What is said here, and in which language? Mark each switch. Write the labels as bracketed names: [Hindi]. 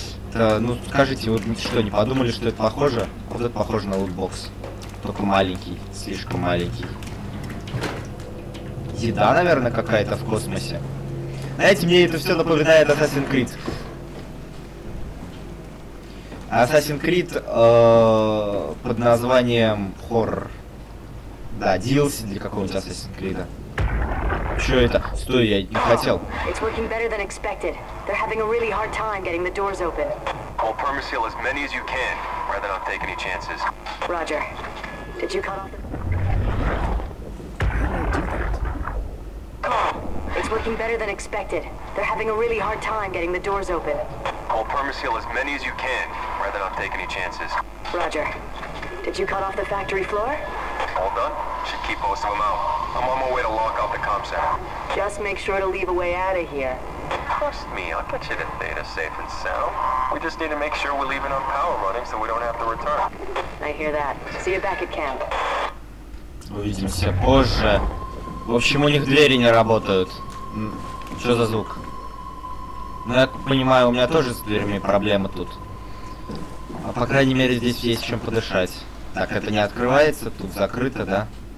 [Russian] Это, ну, скажите, вы что, не подумали, что это похоже? Вот это похоже на лутбокс. Только маленький, слишком маленький. еда, наверное, какая-то в космосе. Знаете, мне это все напоминает Assassin's Creed. Assassin's Creed под названием Horror. Да, DLC для какого-нибудь Assassin's Creed. Что это? Стой, я не хотел. [English] It's working better than expected. They're having a really hard time getting the doors open. Call Permaseal as many as you can, rather not take any chances. Roger. Did you cut off the... How did I do that? It's working better than expected. They're having a really hard time getting the doors open. Call Permaseal as many as you can, rather not take any chances. Roger. Did you cut off the factory floor? All done. Should keep most of them out. I'm on my way to lock out the comm center. Just make sure to leave a way out of here. Trust me, I'll get you to Theta safe and sound. We just need to make sure we leave enough power running so we don't have to return. I hear that. See you back at camp. [Russian] Увидимся позже. В общем, у них двери не работают. Что за звук? Ну, я понимаю, у меня тоже с дверьми проблемы тут. А по крайней мере, здесь есть чем подышать. Так, это не открывается, тут закрыто, да?